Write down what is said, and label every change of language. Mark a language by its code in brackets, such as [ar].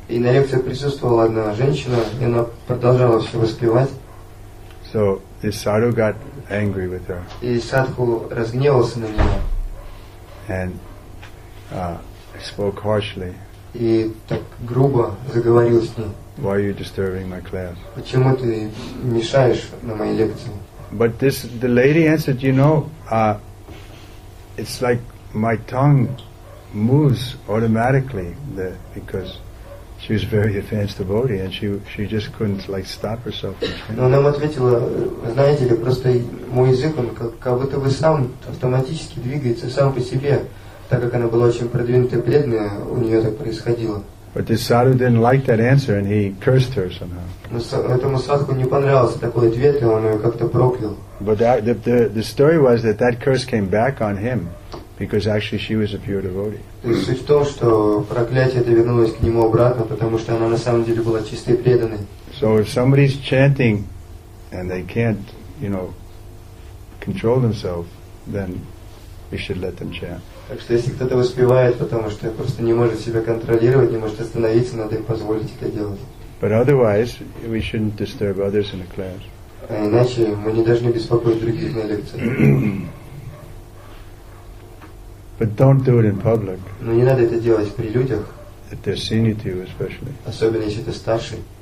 [ru] И на лекции присутствовала одна женщина, и она продолжала все воспевать. [en] So this sadhu got angry with her. [ru] И садху разгневался на нее. [en] And spoke harshly. [ru] И так грубо заговорил с ней. [en] Why are you disturbing my class? [ru] Почему ты мешаешь на моей лекции? [en] But the lady answered, it's like my tongue moves automatically because She was a very advanced devotee, and she just couldn't like stop herself. [ru] Но она ответила, знаете ли, просто мой язык он как будто бы сам автоматически двигается сам по себе, так как она была очень продвинутая преданная, у нее так происходило. [en] But this sadhu didn't like that answer, and he cursed her somehow. [ru] Этому садху не понравился такой ответ, и он ее как-то проклял. [en] But the story was that that curse came back on him, because actually she was a pure devotee. [ru] То есть суть в том, что проклятие это вернулось к нему обратно, потому что она на самом деле была чистой преданной. [en] So if somebody's chanting, and they can't, you know, control themselves, then we should let them chant. [ru] Так что если кто-то воспевает, потому что просто не может себя контролировать, не может остановиться, надо им позволить это делать. [en] But otherwise, we shouldn't disturb others in the class. [ru] А иначе мы не должны беспокоить других на лекциях. [en] But don't do it in public. [ru] Но не надо это делать при людях. [en] If they're senior to you especially. [ru] Особенно если ты старший.